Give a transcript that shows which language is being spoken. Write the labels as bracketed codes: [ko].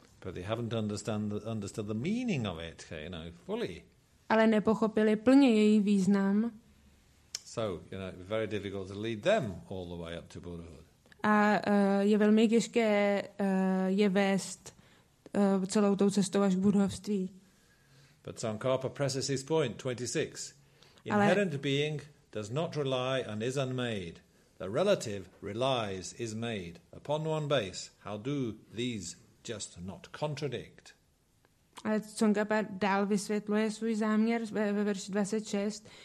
[en] But they haven't understood the meaning of it, you know, fully. [cs] Ale nepochopili plně její význam. [en] So, you know, very difficult to lead them all the way up to Buddhahood. [cs] A je velmi těžké je vést celou tou cestou až k buddhovství. [en] But Tsongkhapa presses his point, 26. Inherent being does not rely and is unmade. The relative relies, is made. Upon one base, how do these just not contradict? [cs] Ale Tsongkhapa dál vysvětluje svůj záměr ve verši 26.